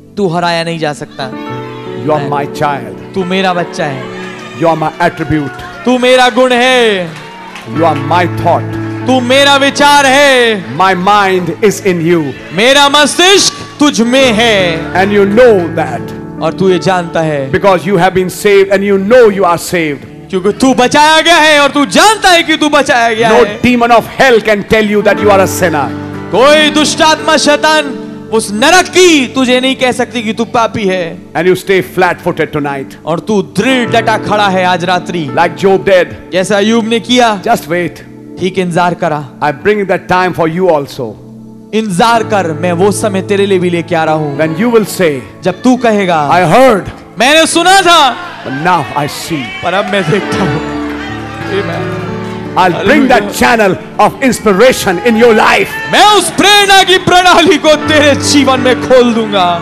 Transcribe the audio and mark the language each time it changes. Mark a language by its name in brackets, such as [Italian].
[Hindi] तू हराया नहीं जा सकता. [English] You are my child. [Hindi] तू मेरा बच्चा है. [English] You are my attribute. [Hindi] तू मेरा गुण है. [English] You are my thought. [Hindi] तू मेरा विचार है. [English] My mind is in you. [Hindi] मेरा मस्तिष्क तुझ में है. [English] And you know that. [Hindi] और तू ये जानता है. [English] Because you have been saved and you know you are saved. [Hindi] क्योंकि तू बचाया गया है और तू जानता है कि तू बचाया गया है. [English] No demon of hell can tell you that you are a sinner. [Hindi] कोई दुष्टात्मा शैतान उस नरक की तुझे नहीं कह सकती कि तू पापी है. [English] And you stay flat-footed tonight. [Hindi] और तू दृढ़ डटा खड़ा है आज रात्रि. [English] Like Job did. [Hindi] जैसा अय्यूब ने किया. [English] Just wait. [Hindi] ठीक इंतजार करा. [English] I bring that time for you also. [Hindi] इंतजार कर, मैं वो समय तेरे लिए भी लेके आ रहा हूँ. [English] When you will say. [Hindi] जब तू कहेगा. [English] I heard. [Hindi] मैंने सुना था. [English] But now I see. [Hindi] पर अब मैं देखता हूँ. Amen. [English] I'll bring that channel of inspiration in your life. [Hindi] मैं उस प्रेरणा की प्रणाली को तेरे जीवन में खोल दूंगा.